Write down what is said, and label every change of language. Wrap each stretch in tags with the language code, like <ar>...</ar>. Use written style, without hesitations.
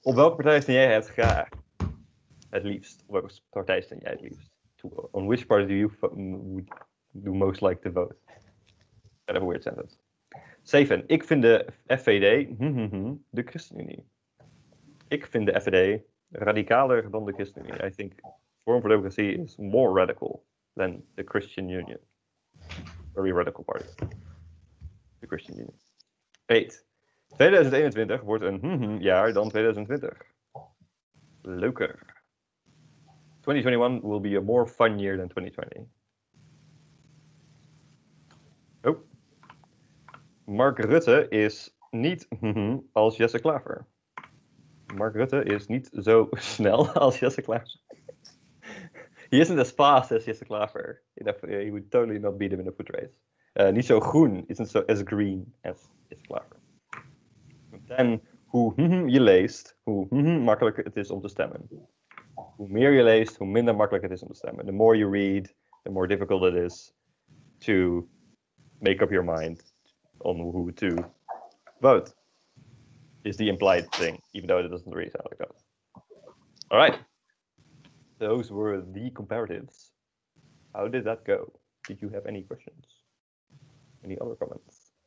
<nl>Op welke partij stem jij het graag? Het liefst. Op welke partij stem jij het liefst?</nl> <en>On which party do you do most like to vote? Kind of a weird sentence. 7.</en> <nl>Ik vind de FVD de ChristenUnie. Ik vind de FVD radicaler dan de ChristenUnie.</nl> <en>I think Forum for Democracy is more radical than the Christian Union. Very radical party. De Christian Union. 8.</en> <nl>2021 wordt een jaar dan 2020. Leuker.</nl> <en>2021 will be a more fun year than 2020. Oh.</en> <nl>Mark Rutte is niet als Jesse Klaver. Mark Rutte is niet zo snel als Jesse Klaver.</nl> <en>He isn't as fast as Jesse Klaver. He would totally not beat him in a foot race.</en> <nl>Niet zo groen,</nl> <en>isn't so as green as is Klaver.</en> <nl>Then, hoe je leest, hoe makkelijk het is om te stemmen. Hoe meer je leest, hoe minder makkelijk het is om te stemmen.</nl> <en>The more you read, the more difficult it is to make up your mind on who to vote, is the implied thing, even though it doesn't really sound like that. All right. Those were the comparatives. How did that go? Did you have any questions? Any other comments?</en>